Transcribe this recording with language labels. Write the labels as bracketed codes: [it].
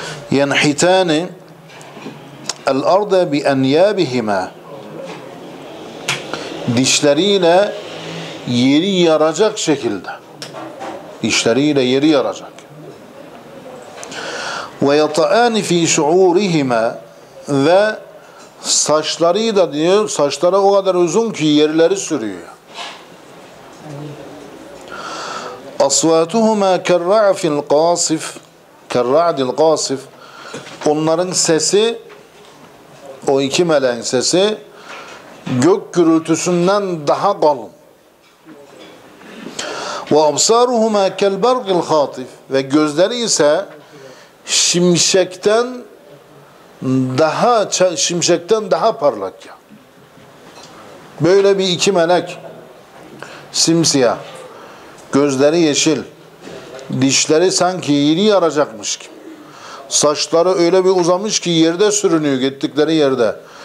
[ar] Yenhitani el-arda bi-enyabihime, [tr] dişleriyle yeri yaracak şekilde, dişleriyle yeri yaracak. [ar] Ve yata'ani fi şuurihime, [tr] ve saçları da diyor, saçları o kadar uzun ki yerleri sürüyor. [ar] أصواتهما كالرعف القاصف كالرعد القاصف. [tr] Onların sesi, o iki meleğin sesi gök gürültüsünden daha kalın. [ar] وأبصارهما كالبرق الخاطف. [tr] Ve gözleri ise şimşekten daha parlak ya. Böyle bir iki melek, simsiyah, gözleri yeşil, dişleri sanki yeri yaracakmış gibi, saçları öyle bir uzamış ki yerde sürünüyor gittikleri yerde.